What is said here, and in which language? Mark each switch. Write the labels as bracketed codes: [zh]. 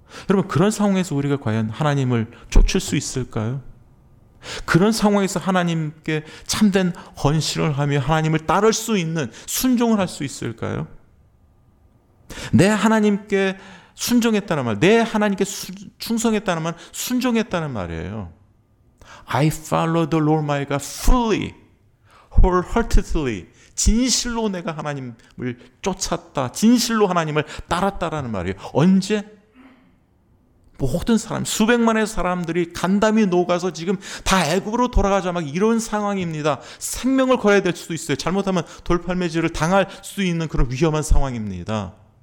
[ko] 여러분 그런 상황에서 우리가 과연 하나님을 쫓을 수 있을까요? 그런 상황에서 하나님께 참된 헌신을 하며 하나님을 따를 수 있는 순종을 할 수 있을까요? 내 하나님께 순종했다는 말, 내 하나님께 충성했다는 말, 순종했다는 말이에요. [en] I follow the Lord my God fully, wholeheartedly. [ko] 진실로 내가 하나님을 쫓았다. 진실로 하나님을 따랐다라는 말이에요. 언제? 뭐 혹은 사람 수백만의 사람들이 간담이 녹아서 지금 다 애굽으로 돌아가자 막 이런 상황입니다. 생명을 걸어야 될 수도 있어요. 잘못하면 돌팔매질을 당할 수 있는 그런 위험한 상황입니다.